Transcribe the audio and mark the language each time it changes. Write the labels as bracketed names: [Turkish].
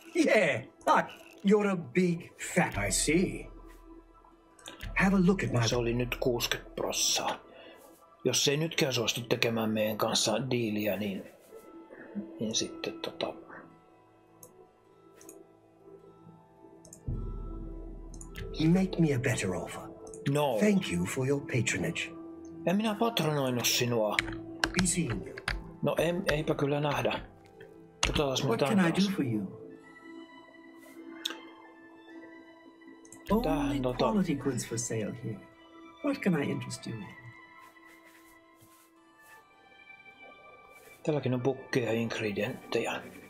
[English] Yeah, but you're a big fat, I see. Have a look at my... [Finnish] Se oli nyt 60%. Jos ei nytkään suostu tekemään meidän kanssa diiliä, niin sitten [English] Make me a better offer. No. Thank you for your patronage. [Finnish] En minä patronoinut sinua. [English] Be seeing you. [Finnish] No eipä kyllä nähdä. Katsotaas mitä [English] on. What can I do for you? [Finnish] Tähän, [English] only quality goods for sale here. What can I interest you in? [Finnish] Tälläkin on bukkeja, ingredientteja.